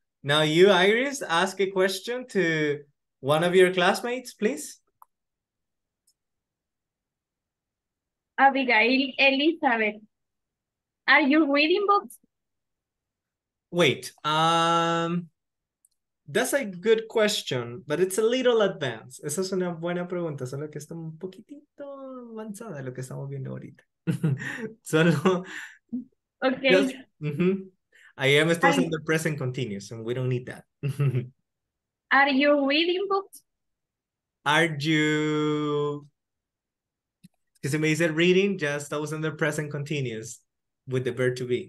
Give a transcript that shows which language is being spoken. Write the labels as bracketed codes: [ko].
[en] Now you, Iris, ask a question to one of your classmates, please. Abigail Elizabeth, are you reading books? Wait, that's a good question, but it's a little advanced. [es] Esa es una buena pregunta, solo que está un poquitito avanzada lo que estamos viendo ahorita. Solo... [en] Okay. Just... I am still in the present continuous, and we don't need that. Are you reading books? Are you... Because if [es] me dice [en] reading, just I was in the present continuous with the verb to be.